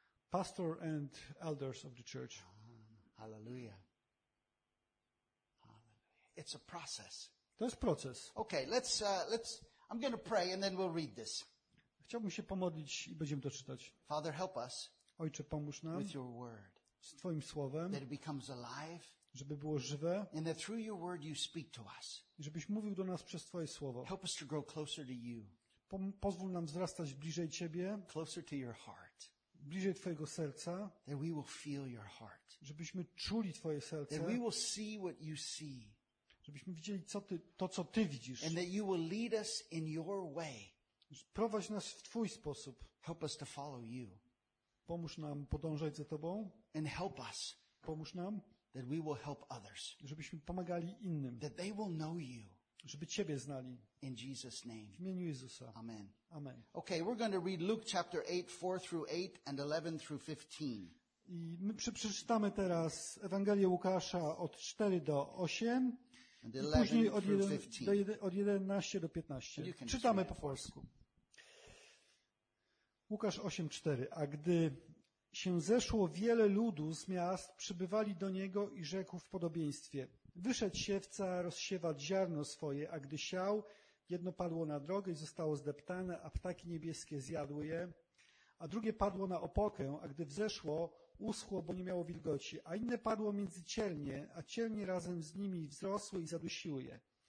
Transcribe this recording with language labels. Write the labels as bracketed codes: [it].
[en] Pastor and elders of the church. Hallelujah. Hallelujah. It's a process. [pl] To jest proces. [en] Okay, let's I'm going to pray and then we'll read this. [pl] Chciałbym się pomodlić i będziemy to czytać. [en] Father, help us. [pl] Ojcze, pomóż nam. [en] With your word. [pl] Z twoim słowem. [en] That it becomes alive. [pl] Żeby było żywe. [en] And that through your word you speak to us. [pl] Żebyś mówił do nas przez twoje słowo. [en] Help us to grow closer to you. [pl] Pozwól nam wzrastać bliżej ciebie. [en] Closer to your heart. [pl] Bliżej twojego serca, [en] that we will feel your heart. [pl] Żebyśmy czuli twoje serce, [en] that we will see what you see. [pl] Żebyśmy widzieli co ty widzisz. [en] And that you will lead us in your way. [pl] Prowadź nas w twój sposób. [en] Help us to follow you. [pl] Pomóż nam podążać za tobą. [en] And help us. [pl] Pomóż nam, [en] that we will help others. [pl] Żebyśmy pomagali innym. [en] That they will know you. [pl] Żeby ciebie znali. [en] In Jesus' name. [pl] W imieniu Jezusa. [en] Amen. [pl] Amen. [en] Okay, we're going to read Luke chapter 8, 4 through 8 and 11 through 15. [pl] I my przeczytamy teraz Ewangelię Łukasza od 4 do 8 [en] and 11 [pl] i później od 11 do 15. Czytamy po polsku. Łukasz 8, 4. A gdy się zeszło wiele ludu z miast, przybywali do niego i rzekł w podobieństwie: wyszedł siewca rozsiewać ziarno swoje, a gdy siał, jedno padło na drogę i zostało zdeptane, a ptaki niebieskie zjadły je, a drugie padło na opokę, a gdy wzeszło, uschło, bo nie miało wilgoci, a inne padło między cielnie, a cielnie razem z nimi wzrosły i zadusiły je.